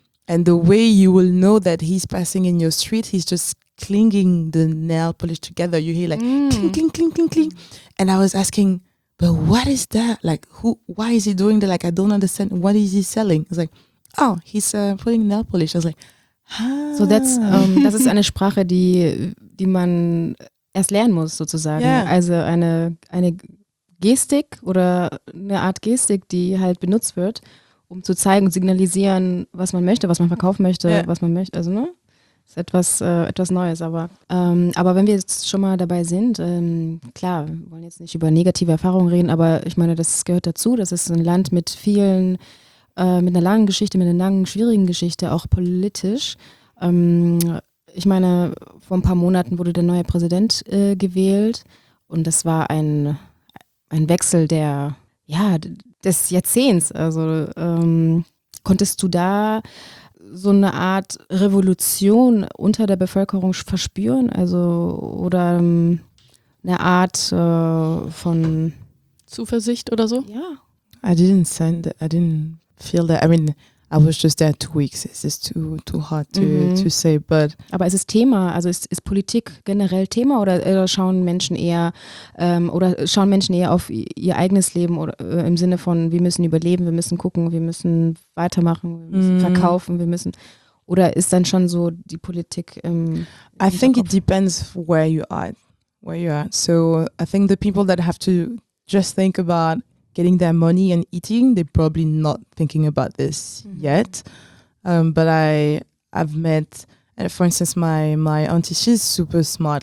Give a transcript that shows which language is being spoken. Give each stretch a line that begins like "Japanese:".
English: And the way you will know that he's passing in your street, he's just clinging the nail polish together. You hear like, cling, cling, cling, cling, cling. And I was asking, but what is that? Like, who? Why is he doing that? Like, I don't understand. What is he selling? It's like... Oh, he's putting nail polish. I was like, ah. So that's
German: das ist eine Sprache, die man erst lernen muss sozusagen.
English: Yeah.
German: Also eine Gestik oder eine Art Gestik, die halt benutzt wird, um zu zeigen und signalisieren, was man möchte, was man verkaufen möchte, was man möchte. Also ne, ist etwas Neues. Aber wenn wir jetzt schon mal dabei sind, klar, wir wollen jetzt nicht über negative Erfahrungen reden, aber ich meine, das gehört dazu. Das ist ein Land mit vielen mit einer langen Geschichte, mit einer langen, schwierigen Geschichte, auch politisch. Ich meine, vor ein paar Monaten wurde der neue Präsident gewählt und das war ein Wechsel des Jahrzehnts. Also konntest du da so eine Art Revolution unter der Bevölkerung verspüren? Also oder eine Art von Zuversicht oder so? Ja.
English: I didn't feel that. I mean, I was just there 2 weeks. It's just too hard to say. But
German: aber ist es Thema? Also ist Politik generell Thema oder schauen Menschen eher auf ihr eigenes Leben oder im Sinne von wir müssen überleben, wir müssen gucken, wir müssen weitermachen, wir müssen verkaufen, wir müssen oder ist dann schon so die Politik?
English: I think it depends where you are. So I think the people that have to just think about getting their money and eating, they're probably not thinking about this yet. But I've met, for instance, my auntie, she's super smart.